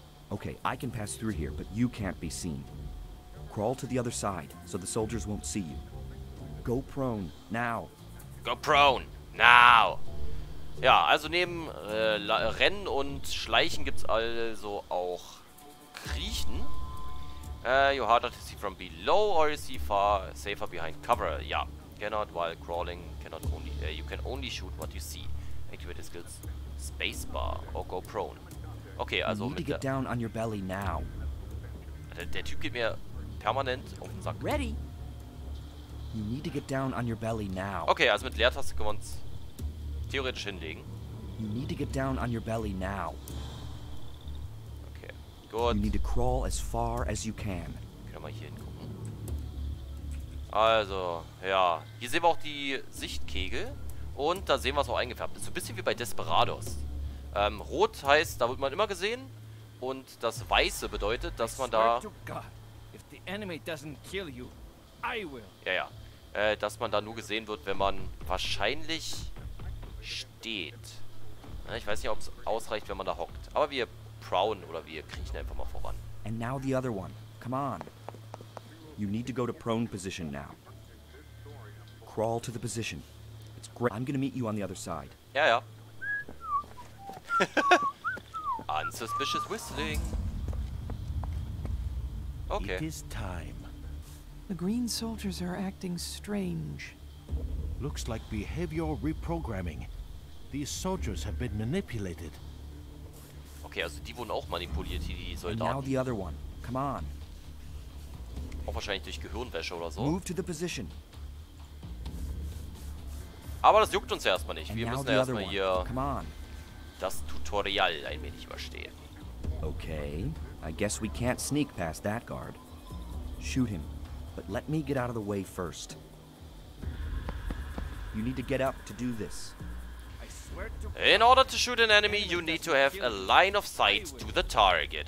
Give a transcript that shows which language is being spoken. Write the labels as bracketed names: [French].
[English] Okay, I can pass through here, but you can't be seen. Crawl to the other side, so the soldiers won't see you. Go prone, now. Go prone, now. [German] Ja, also neben Rennen und Schleichen gibt's also auch Kriechen. [English] You harder to see from below or you see far safer behind cover. Ja, cannot while crawling, cannot only, you can only shoot what you see. Activate the skills spacebar or go prone. [German] Okay, also mit [English] get down on your belly now. [German] Der Typ geht mir permanent auf den Sack. [English] Ready. You need to get down on your belly now. [German] Okay, also mit Leertaste können wir uns theoretisch hinlegen. [English] You need to get down on your belly now. [German] Okay, gut. [English] You need to crawl as far as you can. [German] Können wir mal hier hingucken. Also, ja. Hier sehen wir auch die Sichtkegel. Und da sehen wir es auch eingefärbt. Ist so ein bisschen wie bei Desperados. Rot heißt, da wird man immer gesehen. Und das Weiße bedeutet, dass man da... [English] I will. [German] Ja, ja. Dass man da nur gesehen wird, wenn man wahrscheinlich steht. Ich weiß nicht, ob es ausreicht, wenn man da hockt. Aber wir prowlen oder wir kriechen einfach mal voran. [English] And now the other one. Come on. You need to go to prone position now. Crawl to the position. It's great. I'm gonna meet you on the other side. [German] Ja, ja. [English] Unsuspicious whistling. Okay. It is time. The green soldiers are acting strange. Looks like behavioral reprogramming. These soldiers have been manipulated. [German] Okay, also die wurden auch manipuliert, die Soldaten. [English] And now the other one. Come on. [German] Auch wahrscheinlich durch Gehirnwäsche oder so. [English] Move to the position. [German] Aber das juckt uns erstmal nicht. Wir müssen erstmal hier das Tutorial ein wenig überstehen. [English] Okay, I guess we can't sneak past that guard. Shoot him. But let me get out of the way first. You need to get up to do this. In order to shoot an enemy, you need to have a line of sight to the target.